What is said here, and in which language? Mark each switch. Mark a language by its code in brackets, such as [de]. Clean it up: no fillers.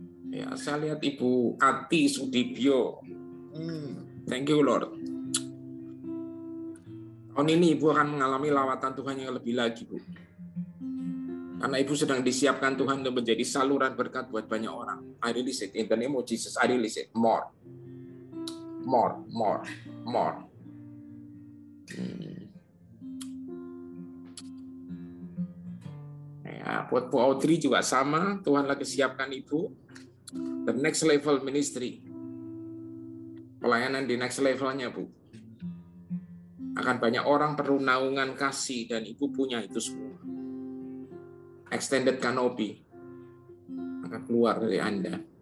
[id] Ya, saya lihat Ibu Ati Sudibyo. [en] Thank you, Lord. [id] Tahun ini Ibu akan mengalami lawatan Tuhan yang lebih lagi, Bu. Karena Ibu sedang disiapkan Tuhan untuk menjadi saluran berkat buat banyak orang. [en] I release it in the name of Jesus. I release it. More. More. More. More. [id] Ya, buat Bu Audrey juga sama. Tuhan lagi siapkan Ibu. [en] The next level ministry. [id] Pelayanan di next levelnya, Bu. Akan banyak orang perlu naungan kasih, dan Ibu punya itu semua. extended canopy akan keluar dari Anda.